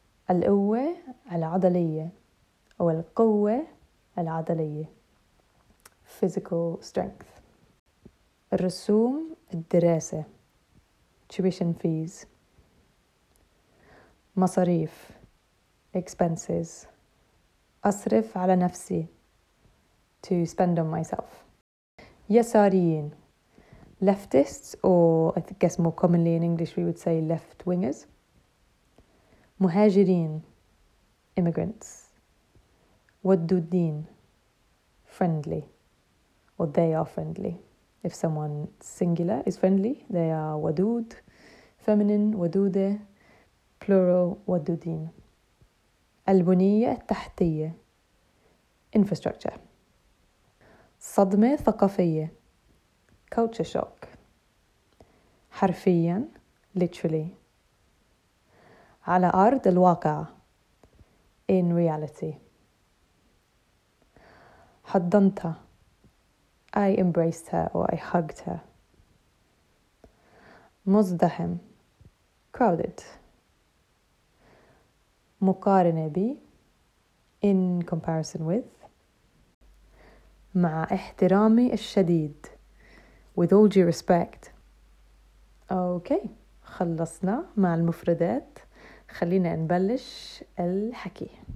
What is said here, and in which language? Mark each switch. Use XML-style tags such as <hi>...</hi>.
<ar>القوة العضلية أو القوة العضلية,</ar> <en>physical strength.</en> <ar>الرسوم الدراسة,</ar> <en>tuition fees.</en> <ar>مصاريف,</ar> <en>expenses.</en> <ar>أصرف على نفسي,</ar> <en>to spend on myself.</en> <ar>يساريين,</ar> <en>leftists, or I guess more commonly in English we would say left wingers.</en> <ar>مهاجرين,</ar> <en>immigrants.</en> <ar>ودودين,</ar> <en>friendly, or they are friendly. If someone singular is friendly, they are</en> <ar>ودود,</ar> <en>feminine,</en> <ar>ودودة,</ar> <en>plural,</en> <ar>ودودين. البنية التحتية,</ar> <en>infrastructure.</en> <ar>صدمة ثقافية,</ar> <en>culture shock.</en> <ar>حرفيا,</ar> <en>literally.</en> <ar>على أرض الواقع,</ar> <en>in reality.</en> <ar>حضنتها,</ar> <en>I embraced her or I hugged her.</en> <ar>مزدحم,</ar> <en>crowded.</en> <ar>مقارنة بي,</ar> <en>in comparison with.</en> <ar>مع احترامي الشديد,</ar> <en>with all due respect.</en> <ar>Okay, خلصنا مع المفردات. خلينا نبلش الحكي.</ar>